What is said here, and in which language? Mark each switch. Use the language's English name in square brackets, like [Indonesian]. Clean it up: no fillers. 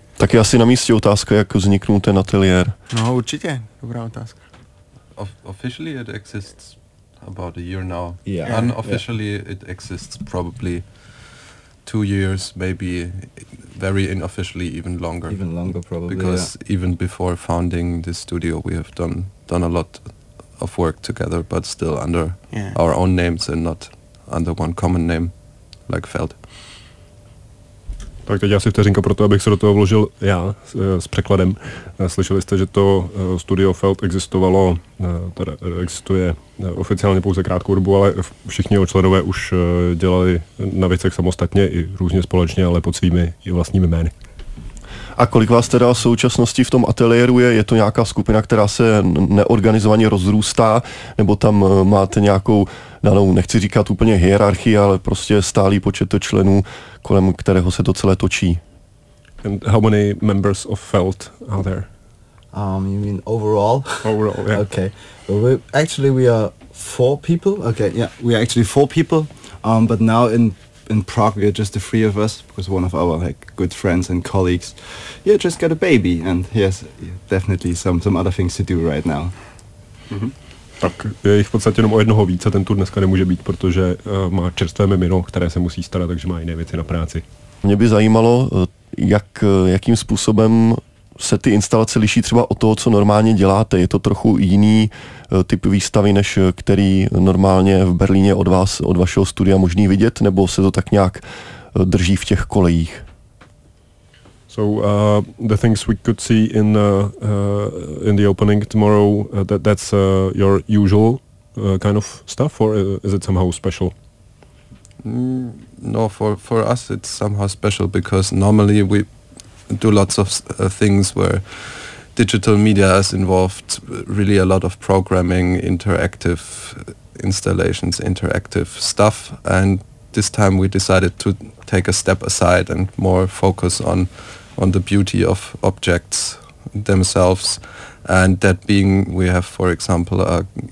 [Czech] Tak je asi na místě otázka, jak vzniknul ten ateliér. No, určitě, dobrá otázka. [English] Officially it exists about a year now. Yeah. Unofficially, yeah. It exists probably 2 years, maybe very unofficially even longer. Even longer probably. Because yeah, even before founding this studio, we have done a lot of work together, but still under yeah, our own names and not under one common name like Felt. [Czech] Tak teď asi vteřinka pro to, abych se do toho vložil já s překladem. Slyšeli jste, že to studio Felt existovalo, teda existuje oficiálně pouze krátkou dobu, ale všichni členové už dělali na věcech samostatně i různě společně, ale pod svými i vlastními jmény. A kolik vás teda v současnosti v tom ateliéru je? Je to nějaká skupina, která se neorganizovaně rozrůstá, nebo tam máte nějakou, no, nechci říkat úplně hierarchii, ale prostě stálý počet členů, kolem kterého se to celé točí? [English] And how many members of Felt are there? You mean overall? Overall, yeah. Okay. Well, we are 4 people. Okay, yeah, we are actually 4 people. But now in Prague, we are just the 3 of us, because one of our like good friends and colleagues, yeah, just got a baby, and he has definitely some other things to do right now. Mm-hmm. [Czech] tak je jich v podstatě jenom o jednoho víc a ten tur dneska nemůže být, protože má čerstvé mimino, které se musí starat, takže má jiné věci na práci. Mě by zajímalo, jakým způsobem se ty instalace liší třeba od toho, co normálně děláte. Je to trochu jiný typ výstavy, než který normálně v Berlíně od vás, od vašeho studia možný vidět, nebo se to tak nějak drží v těch kolejích? [English] So the things we could see in the opening tomorrow, that's your usual kind of stuff, or is it somehow special? No, for us it's somehow special because normally we do lots of things where digital media is involved, really a lot of programming, interactive installations, interactive stuff, and this time we decided to take a step aside and more focus on the beauty of objects themselves, and that being we have, for example, a